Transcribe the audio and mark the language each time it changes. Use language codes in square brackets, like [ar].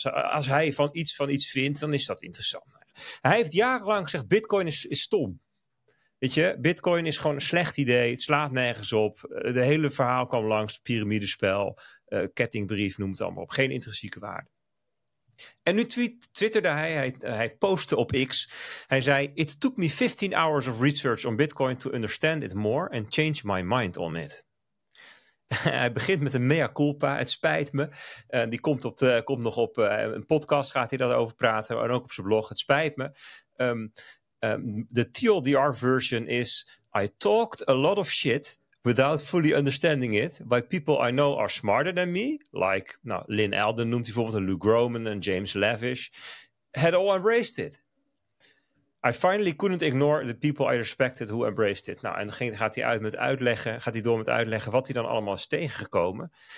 [nl] Als hij van iets vindt, dan is dat interessant. Hij heeft jarenlang gezegd, Bitcoin is stom. Weet je, Bitcoin is gewoon een slecht idee. Het slaat nergens op. De hele verhaal kwam langs. Piramidespel, kettingbrief, noem het allemaal op. Geen intrinsieke waarde. En nu twitterde hij. Hij postte op X. Hij zei, [en] it took me 15 hours of research on Bitcoin to understand it more and change my mind on it. [nl] Hij begint met een mea culpa. Het spijt me. Die komt nog op een podcast. Gaat hij daarover praten. En ook op zijn blog. Het spijt me. [en] De TLDR version is, I talked a lot of shit without fully understanding it by people I know are smarter than me, like, [nl] nou, Lynn Alden noemt hij bijvoorbeeld, [en] Lou Grohman en James Lavish, had all embraced it. I finally couldn't ignore the people I respected who embraced it. [nl] Nou, en dan gaat hij door met uitleggen wat hij dan allemaal is tegengekomen.